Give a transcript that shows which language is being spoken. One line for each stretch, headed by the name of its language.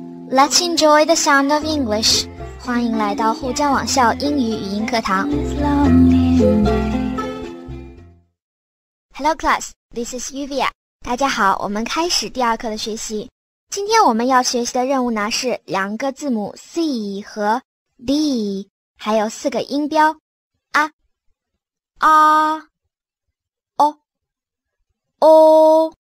English: Let's enjoy the sound of English.
Chinese: 欢迎来到沪江网校英语语音课堂。
English: Hello class, this is Yuvia.
Chinese: 大家好，我们开始第二课的学习。今天我们要学习的任务呢是两个字母 C 和 D, 还有四个音标 A, A, O, O。